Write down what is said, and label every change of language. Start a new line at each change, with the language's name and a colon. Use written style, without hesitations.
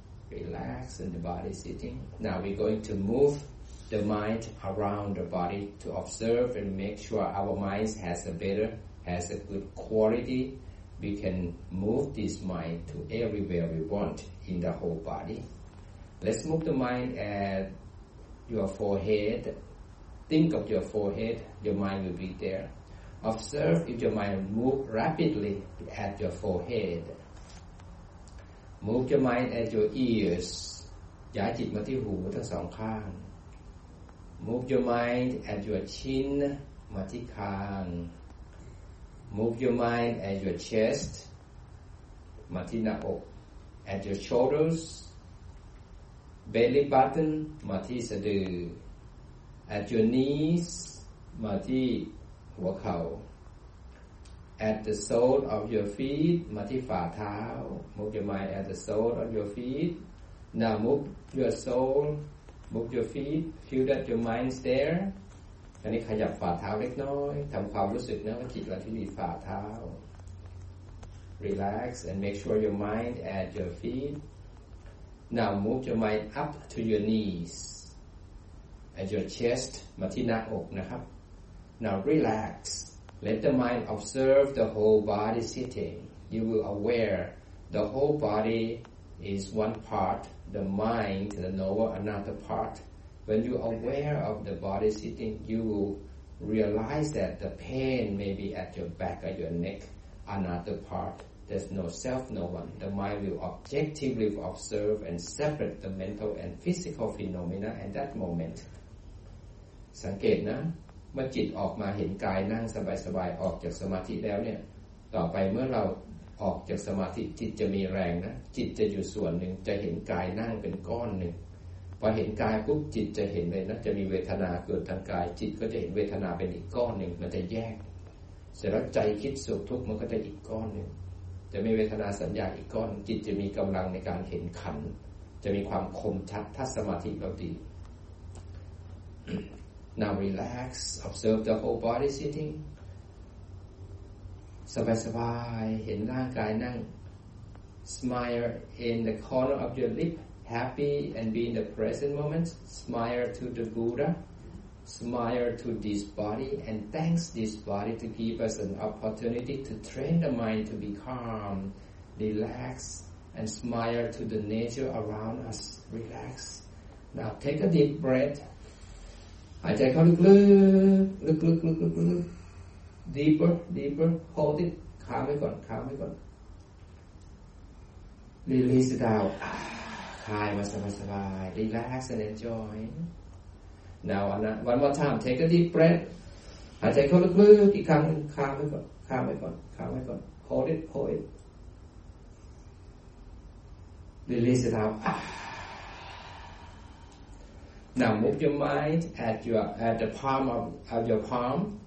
English: relax and the body sitting now we're going to move the mind around the body to observe and make sure our mind has a good qualityWe can move this mind to everywhere we want in the whole body. Let's move the mind at your forehead. Think of your forehead, your mind will be there. Observe if your mind moves rapidly at your forehead. Move your mind at your ears.
Thai: ย้ายจิตมาที่หูทั้งสองข้าง
English: Move your mind at your chin,
Thai: มาที่คาง
English: Move your mind at your chest,
Thai: มาที่หน้าอก
English: At your shoulders, belly button,
Thai: มาที่สะดือ
English: At your knees,
Thai: มาที่หัวเข่า
English: At the sole of your feet,
Thai: มาที่ฝ่าเท้า
English: Move your mind at the sole of your feet. Now move your sole, move your feet. Feel that your mind's there.
Thai: อันนี้ขยับฝ่าเท้าเล็กน้อยทำความรู้สึกนะว่าจิตเราที่มีฝ่าเท้า
English: Relax and make sure your mind at your feet. Now move your mind up to your knees. At your chest,
Thai: มาที่หน้าอกนะครับ
English: Now relax. Let the mind observe the whole body sitting. You will aware the whole body is one part, the mind, the knower another part. When you aware of the body sitting, you will realize that the pain may be at your back or your neck, another part. There's no self, no one. The mind will objectively observe and separate the mental and physical phenomena at that moment.
Thai: สังเกตนะเมื่อจิตออกมาเห็นกายนั่งสบายๆออกจากสมาธิแล้วเนี่ยต่อไปเมื่อเราออกจากสมาธิจิตจะมีแรงนะจิตจะอยู่ส่วนหนึ่งจะเห็นกายนั่งเป็นก้อนหนึ่งพอเห็นกายปุ๊บจิตจะเห็นเลยนะจะมีเวทนาเกิดทางกายจิตก็จะเห็นเวทนาเป็นอีกก้อนหนึ่งมันจะแยก เสร็จแล้วใจคิดสุขทุกข์มันก็จะอีกก้อนหนึ่งจะมีเวทนาสัญญาอีกก้อนจิตจะมีกำลังในการเห็นขันธ์จะมีความคมชัดถ้าสมาธิเราดี
English: Now relax, observe the whole body sitting.
Thai: Sabai-sabai, hen rang gai nang.
English: Smile in the corner of your lip, happy and be in the present moment. Smile to the Buddha. Smile to this body and thanks this body to give us an opportunity to train the mind to be calm. Relax and smile to the nature around us. Relax. Now take a deep breath.
Thai: หายใจเข้าลึกๆลึกๆลึกๆ
English: deeper deeper hold it
Thai: ค้างไว้ก่อนค้างไว้ก่อน
English: release down
Thai: คลายมาสบายๆ
English: relax and enjoy now one more time take a deep breath
Thai: หายใจเข้าลึกๆกี่ครั้งค้างไว้ก่อนค้างไว้ก่อนค้างไว้ก่อน
English: hold it hold it release downNow move your mind at the palm of your palm.